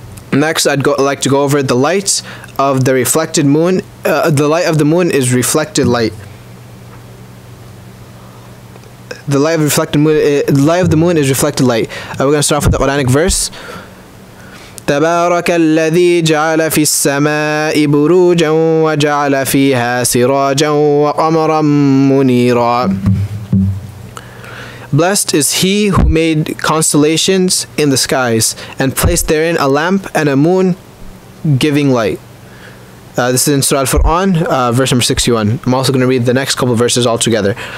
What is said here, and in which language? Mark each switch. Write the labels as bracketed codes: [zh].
[en] Next, I'd like to go over the light of the reflected moon. The light of the moon is reflected light. The light of reflected moon. The light of the moon is reflected light. We're going to start off with the Quranic verse. [ar] تبارك الذي جعل في السماء بروجا وجعل فيها سراجا وقمرا منيرا. [en] Blessed is he who made constellations in the skies and placed therein a lamp and a moon giving light. This is in Surah Al-Fur'an, verse number 61. I'm also going to read the next couple of verses all together.